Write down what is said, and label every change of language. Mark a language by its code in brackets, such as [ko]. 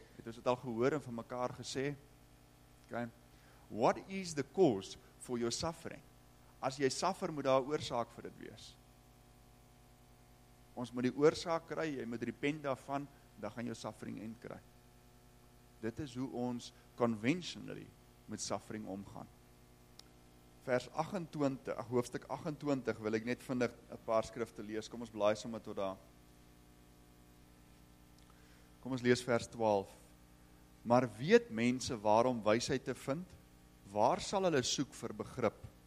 [af] Het ons het al gehoor en van mekaar gesê, okay. [en] What is the cause for your suffering? [af] As jy suffer, moet daar 'n oorsaak vir dit wees. Ons moet die oorsaak kry, jy moet repent daarvan, dan gaan jou suffering end kry. Dit is hoe ons conventionally met suffering omgaan. Vers 28, hoofstuk 28, wil ek net vinnig 'n paar skrifte lees, kom ons blaai sommer tot daar. Kom ons lees vers 12. Maar weet mense waarom wysheid te vind? Waar sal hulle soek vir begrip?